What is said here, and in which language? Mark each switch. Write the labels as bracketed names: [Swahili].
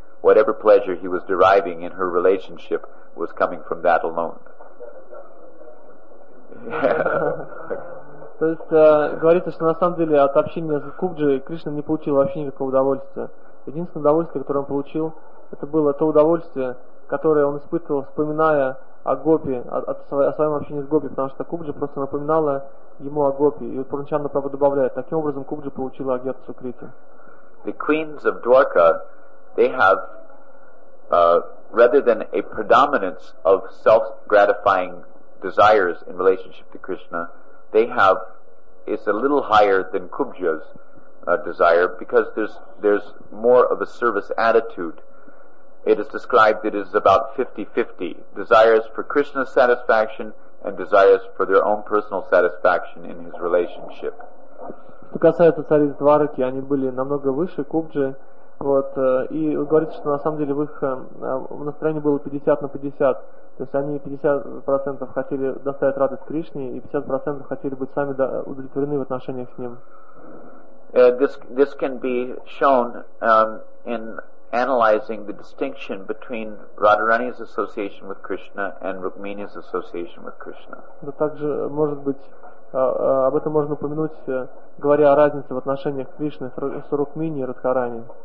[English] Whatever pleasure he was deriving in her relationship was coming from that alone. [Russian] То есть говорится, что на самом деле от общения с Гупджей Кришна не получил вообще никакого удовольствия. Единственное удовольствие, которое он получил, это было то удовольствие, которое он испытывал, вспоминая о Гопи, о своем общении с Гопи, потому что Гупджа просто напоминала ему о Гопи. И вот Пурнчанда Прабху добавляет, таким образом Гупджа получила агьяту сукрити. [English] The queens of Dwarka, they have, rather than a predominance of self-gratifying desires in relationship to Krishna, they have, it's a little higher than Kubja's desire, because there's more of a service attitude. It is described that it is about 50-50, desires for Krishna's satisfaction and desires for their own personal satisfaction in his relationship. [Russian] Что касается цариц Двараки, они были намного выше Кубджи, вот, и говорится, что на самом деле в их настроении было 50-50. То есть они 50% хотели доставить радость Кришне, и 50% хотели быть сами удовлетворены в отношениях с Ним. [English] This can be shown in analyzing the distinction between Radharani's association with Krishna and Rukmini's association with Krishna. [Russian] Но также, может быть, об этом можно упомянуть, говоря о разнице в отношениях Кришны с Рукмини и Радхарани.